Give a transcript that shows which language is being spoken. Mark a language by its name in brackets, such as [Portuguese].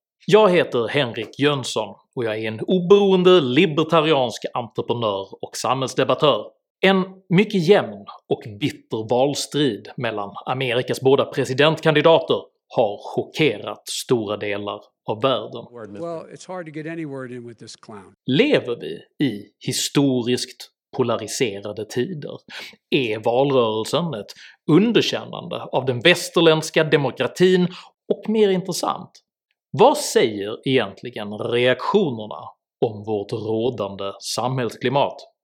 [Swedish] Jag heter Henrik Jönsson och jag är en oberoende libertariansk entreprenör och samhällsdebattör. En mycket jämn och bitter valstrid mellan Amerikas båda presidentkandidater har chockerat stora delar av världen. [English] Well, it's hard to get any word in with this clown. [Swedish] Lever vi i historiskt polariserade tider? Är valrörelsen ett underkännande av den västerländska demokratin, och mer intressant, vad säger egentligen reaktionerna om vårt rådande samhällsklimat?